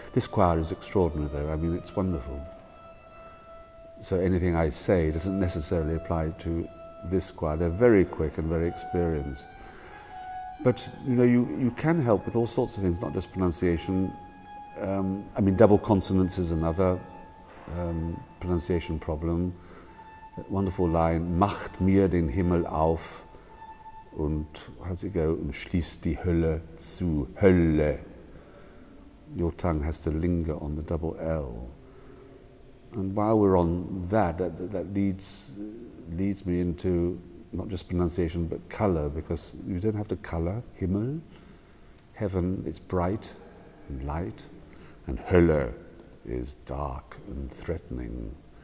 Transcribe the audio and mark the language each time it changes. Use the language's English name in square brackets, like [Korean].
[English] This choir is extraordinary though, I mean it's wonderful. So anything I say doesn't necessarily apply to this choir. They're very quick and very experienced. But you know, you can help with all sorts of things, not just pronunciation. I mean, double consonants is another pronunciation problem. That wonderful line, [German] macht mir den Himmel auf, und [English] how does it go, [German] und schließt die Hölle zu, Hölle. [English] Your tongue has to linger on the double L. And while we're on that leads me into not just pronunciation but color, because you don't have to color Himmel, heaven is bright and light, and Hölle is dark and threatening.